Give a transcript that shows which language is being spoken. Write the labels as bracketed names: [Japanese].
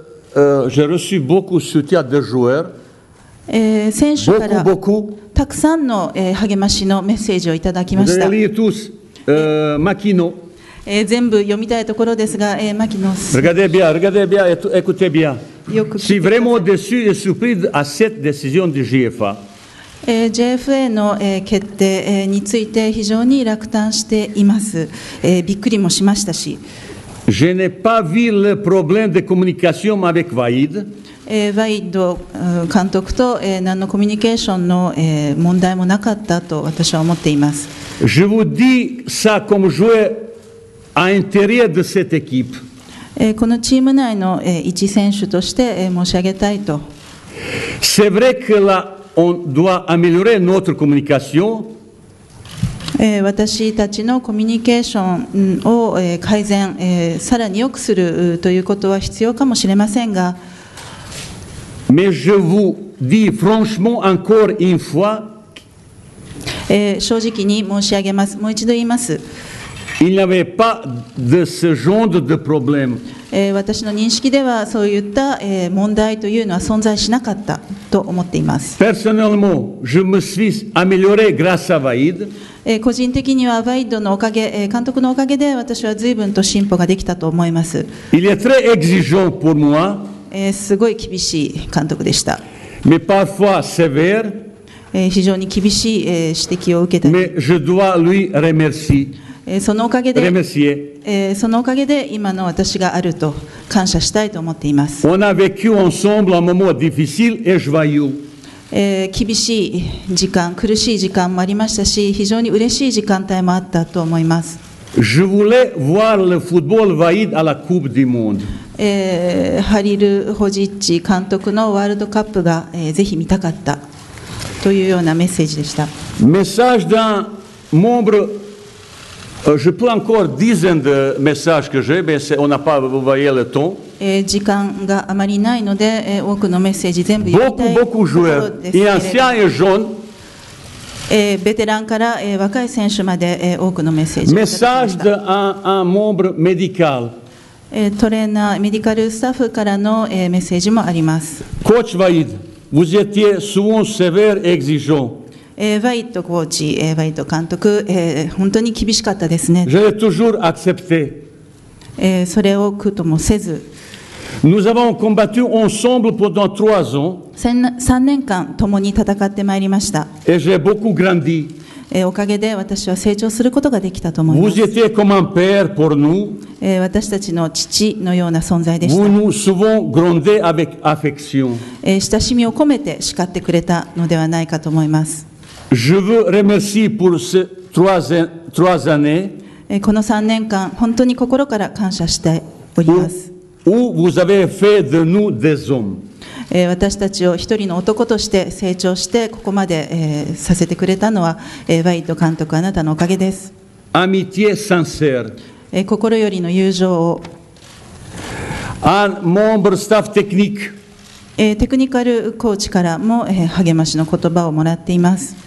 [French] j'ai reçu beaucoup de soutien des joueurs. [Japanese] 選手からたくさんの励ましのメッセージをいただきました。全部読みたいところですが、マキノス。 JFA の決定について非常に落胆しています。びっくりもしましたし。 [French] Je n'ai pas vu le problème de communication avec Vahid. [Japanese] ワイド監督と何のコミュニケーションの問題もなかったと私は思っています。 [French] Je vous dis ça comme joueur à l'intérieur de cette équipe. [Japanese] このチーム内の一選手として申し上げたいと。 [French] C'est vrai que là on doit améliorer notre communication. [Japanese] 私たちのコミュニケーションを改善さらに良くするということは必要かもしれませんが、 [French] Mais je vous dis franchement encore une fois, [Japanese] 正直に申し上げます。もう一度言います。 [French] Il n'y avait pas de ce genre de problème. [Japanese] 私の認識ではそういった問題というのは存在しなかったと思っています。 [French] Personnellement, je me suis amélioré grâce à Vahid. [Japanese] 個人的にはワイドのおかげ、監督のおかげで私は随分と進歩ができたと思います。 [French] Il est très exigeant pour moi. [Japanese] すごい厳しい監督でした。 [French] mais parfois sévère, [Japanese] 非常に厳しい指摘を受けたり、 [French] mais je dois lui remercier, [Japanese] そのおかげで、 [French] remercier. [Japanese] そのおかげで今の私があると感謝したいと思っています。 [French] on a vécu ensemble un moment difficile et joyeux. [Japanese] 厳しい時間、苦しい時間もありましたし、非常に嬉しい時間帯もあったと思います。 [French] Je voulais voir le football Vaïd à la Coupe du Monde. [Japanese] ハリル・ホジッチ監督のワールドカップが、ぜひ見たかったというようなメッセージでした。 [French] メッセージ d'un membre, je peux encore dire le message que j'ai, mais on n'a pas voyé le temps. [Japanese] 時間があまりないので、多くのメッセージ全部言いたいところですけれど、 [French] beaucoup, beaucoup [Japanese] ベテランから、若い選手まで、多くのメッセージ。メッセージで [French] un membre médical. [Japanese] トレーナー、メディカルスタッフからの、メッセージもあります。 [French] コーチワイド、vous étiez souvent sévère exigeant. [Japanese] ワイドコーチ、ワイド監督、本当に厳しかったですね。 [French] J'ai toujours accepté. [Japanese] それを苦ともせず。 [French] Nous avons combattu ensemble pendant trois ans. [Japanese] 3年間共に戦ってまいりました。 [French] Et j'ai beaucoup grandi. [Japanese] おかげで私は成長することができたと思います [French] Vous étiez comme un père pour nous. [Japanese] 私たちの父のような存在でした。 [French] Vous nous souvent grondez avec affection. [Japanese] 親しみを込めて叱ってくれたのではないかと思います。 [French] Je vous remercie pour ces trois années. [Japanese] この3年間本当に心から感謝しております。 [French] vous avez fait de nous des hommes. [Japanese] 私たちを一人の男として成長してここまで、させてくれたのは、ワイト監督あなたのおかげです。 [French] amitié sincère. [Japanese] 心よりの友情を。 [French] un membre staff technique. [Japanese] テクニカルコーチからも、励ましの言葉をもらっています。